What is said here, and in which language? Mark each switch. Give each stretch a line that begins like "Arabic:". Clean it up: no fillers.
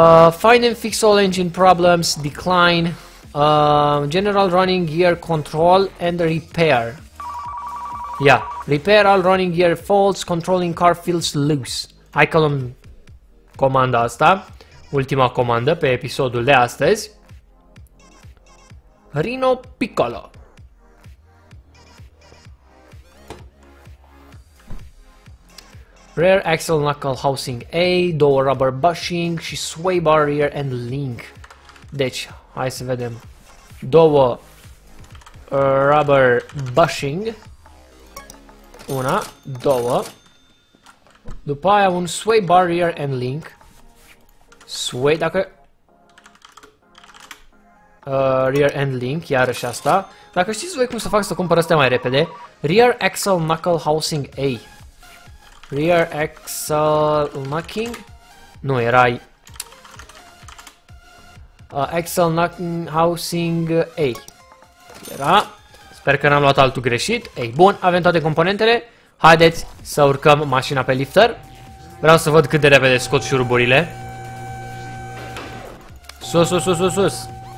English: Find and fix all engine problems, decline, general running gear control and repair. Yeah, repair all running gear faults, controlling car feels loose.
Romanian: Hai că luăm comanda asta, ultima comandă pe episodul de astăzi. Rino Piccolo.
English: Rear axle knuckle housing A, door rubber bushing și sway bar rear and link.
Romanian: Deci, hai să vedem. Două
English: rubber bushing.
Romanian: Una, două. După aia un
English: sway barrier and link. Sway,
Romanian: dacă...
English: rear end link,
Romanian: iarăși asta. Dacă știți voi cum să fac să cumpăr astea mai repede,
English: rear axle knuckle housing A. Rear axle knocking?
Romanian: Nu, era...
English: axle knocking housing A.
Romanian: Era... Sper că n-am luat altul greșit. Ei, bun, avem toate componentele. Haideți să urcăm mașina pe lifter. Vreau să văd cât de repede scot șuruburile. Sus.